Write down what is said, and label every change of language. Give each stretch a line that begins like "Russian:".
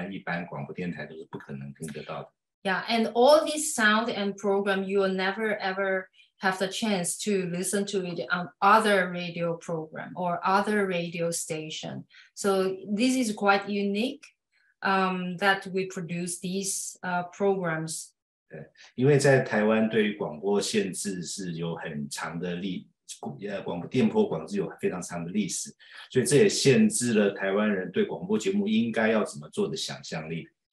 Chinese: 对，也会有这些实验室的声响，这些实验的音乐和实验的一些广播剧，和一些像声音纪录片，这些都是在台湾一般广播电台都是不可能听得到的。
English: Yeah, and all these sound and program, you will never ever have the chance to listen to it on other radio program or other radio station. So this is quite unique that we produce these programs.
Chinese: 对，因为在台湾对于广播限制是有很长的历，广播电波管制有非常长的历史，所以这也限制了台湾人对广播节目应该要怎么做的想象力。